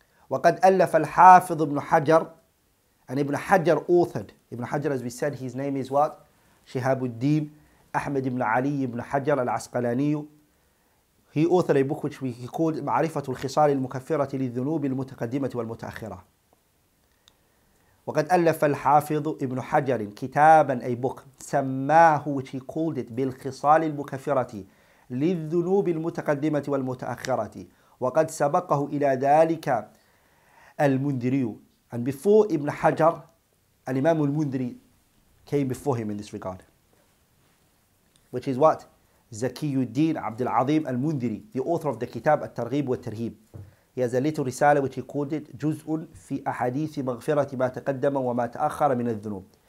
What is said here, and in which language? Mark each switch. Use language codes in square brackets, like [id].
[ar] وَقَدْ أَلَّفَ الْحَافِظُ ابْنُ حَجَرٍ. [en] And Ibn Hajar authored. Ibn Hajar, as we said, his name is what? Shihabuddin Ahmed ibn Ali ibn Hajar al-Asqalaniyu. He authored a book which he called [ar] مَعْرِفَةُ الْخِصَالِ الْمُكَفِّرَةِ لِلذُّنُوبِ الْمُتَقَدِّمَةِ وَالْمُتَأَخِّرَةِ. وَقَدْ أَلَّفَ الْحَافِظُ إِبْنُ حَجَرٍ كِتَابًا, [en] a book, [ar] سَمَّاهُ, [en] which he called it [ar] بِالْخِصَالِ الْمُكَفِّرَةِ لِلذُّنُوبِ الْمُتَقَدِّمَةِ وَالْمُتَأَخِّرَةِ وَقَدْ سَبَقَهُ إِلَى ذَلِكَ الْمُنْذِرِيُّ. [en] And before Ibn Hajar, Al-Imam Al-Mundri came before him in this regard. Which is what? Zakiyuddin Abdul Azim Al-Mundri, the author of the Kitab Al-Targhib wa Al-Tarhib. He has a little risala which he called it Juz'un fi ahadithi maghfirati ma taqaddama wa ma ta'akhara min al-dhunub.